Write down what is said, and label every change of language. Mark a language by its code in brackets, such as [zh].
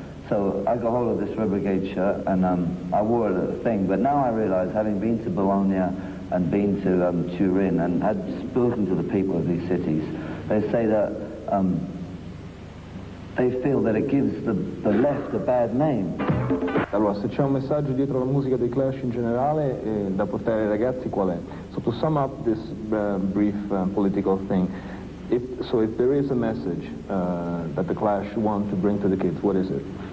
[en] So I got hold of this Red Brigade shirt and I wore it at the thing, but now I realize, having been to Bologna and been to Turin and had spoken to the people of these cities, they say that they feel that it gives the left a bad name. [it] Allora, se c'è un messaggio dietro la musica dei Clash in generale da portare ai ragazzi, qual è? [en] So to sum up this brief political thing, if there is a message that the Clash want to bring to the kids, what is it?